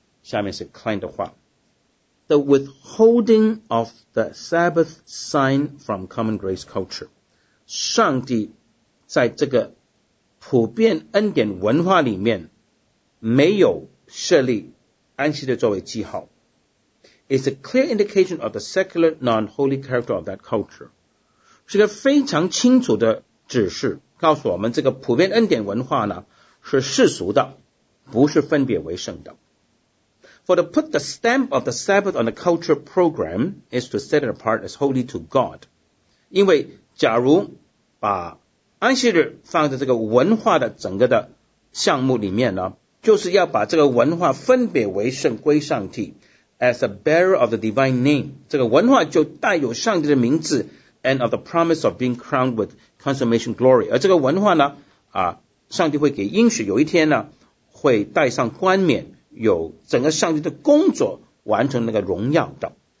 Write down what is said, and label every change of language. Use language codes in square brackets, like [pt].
[zh] 下面是 Klein 的话， [en] The withholding of the Sabbath sign from common grace culture， [zh] 上帝在这个普遍恩典文化里面没有设立安息日作为记号， [en] It's a clear indication of the secular non-holy character of that culture. [zh] 是个非常清楚的指示，告诉我们这个普遍恩典文化呢是世俗的，不是分别为圣的。 [en] For to put the stamp of the Sabbath on the culture program is to set it apart as holy to God. [zh] 因为假如把安息日放在这个文化的整个的项目里面呢，就是要把这个文化分别为圣归上帝。 [en] As a bearer of the divine name， [zh] 这个文化就带有上帝的名字， [en] And of the promise of being crowned with consummation glory， [zh] 而这个文化呢、上帝会给应许，有一天呢会带上冠冕，有整个上帝的工作完成那个荣耀的。